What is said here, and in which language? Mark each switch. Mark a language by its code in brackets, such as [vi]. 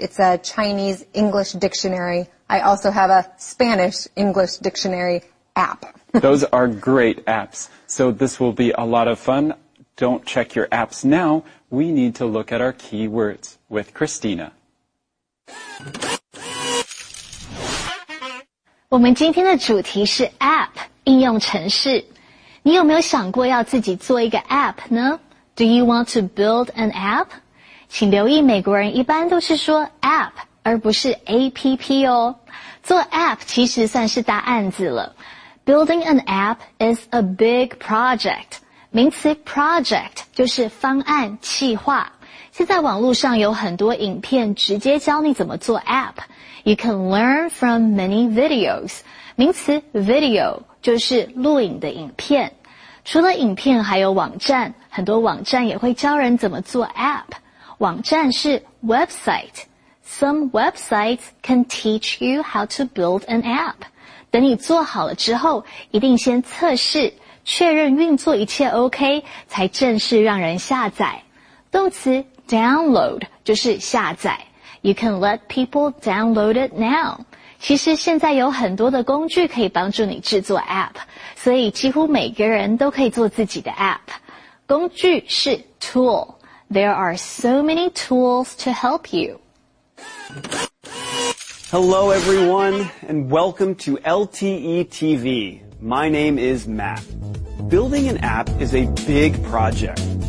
[en] It's a Chinese-English dictionary. I also have a Spanish-English dictionary app. Those are great apps. So this will be a lot of fun. Don't check your apps now. We need to look at our keywords with Christina. [zh] 我们今天的主题是 app, 应用程式。你有没有想过要自己做一个 app 呢? [en] Do you want to build an app? [zh] 请留意美国人一般都是说 app, 而不是 app 哦。做 app 其实算是大案子了。 [en] Building an app is a big project. [zh] 名词 project 就是方案、企划。现在网络上有很多影片直接教你怎么做 app. [en] You can learn from many videos. [zh] 名词 video 就是录影的影片。除了影片还有网站，很多网站也会教人怎么做 app. 网站是 website. [en] Some websites can teach you how to build an app. [zh] 等你做好了之后，一定先测试，确认运作一切 OK, 才正式让人下载。动词 download 就是下载。 [en] You can let people download it now. [zh] 其实现在有很多的工具可以帮助你制作 app, 所以几乎每个人都可以做自己的 app。工具是 tool. [en] There are so many tools to help you. Hello everyone, and welcome to LTE TV. My name is Matt. Building an app is a big project.